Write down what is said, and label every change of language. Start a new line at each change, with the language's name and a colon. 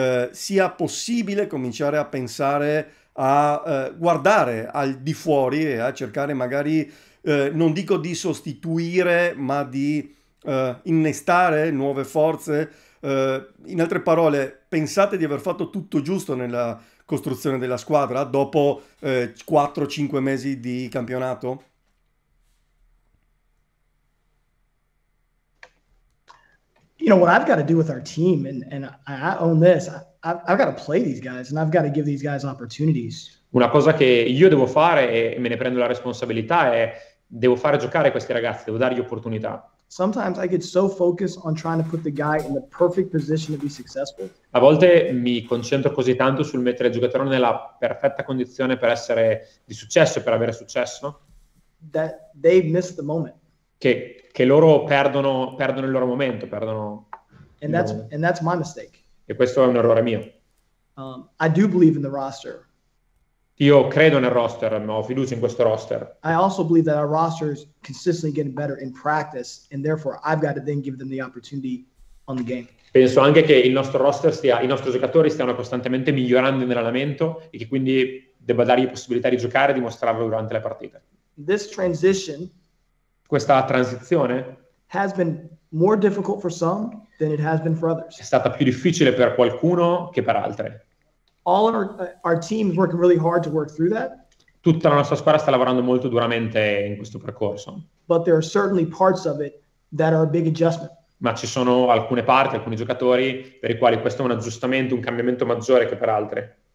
Italian: sia possibile cominciare a pensare a guardare al di fuori e a cercare magari, non dico di sostituire, ma di innestare nuove forze? In altre parole, pensate di aver fatto tutto giusto nella costruzione della squadra dopo 4-5 mesi di campionato?
English: You know, what I've got to do with our team, and I own this, I've got to play these guys, and I've got to give these guys opportunities.
Italian: Una cosa che io devo fare, e me ne prendo la responsabilità, è devo fare giocare questi ragazzi, devo dargli opportunità.
English: Sometimes I get so focused on trying to put the guy in the perfect position to be successful.
Italian: A volte mi concentro così tanto sul mettere il giocatore nella perfetta condizione per essere di successo, per avere successo.
English: That they miss the moment.
Italian: Che loro perdono il loro momento, perdono.
English: And that's my mistake.
Italian: E questo è un errore mio.
English: I do believe in the roster.
Italian: Io credo nel roster, ma ho fiducia in questo roster.
English: I also believe that our roster is consistently getting better in practice, and therefore I've got to then give them the opportunity on the game.
Italian: Penso anche che il nostro roster stia, i nostri giocatori stiano costantemente migliorando in allenamento e che quindi debba dargli possibilità di giocare e dimostrarlo durante le partite.
English: This transition.
Italian: Questa transizione
English: has been more difficult for some than it has been for others.
Italian: È stata più difficile per qualcuno che per altre.
English: All our team is working really hard to work through that.
Italian: tutta la nostra squadra sta lavorando molto duramente in questo percorso.
English: But there are certainly parts of it that are a big adjustment.
Italian: Ma ci sono alcune parti, alcuni giocatori per i quali questo è un aggiustamento, un cambiamento maggiore che per altri.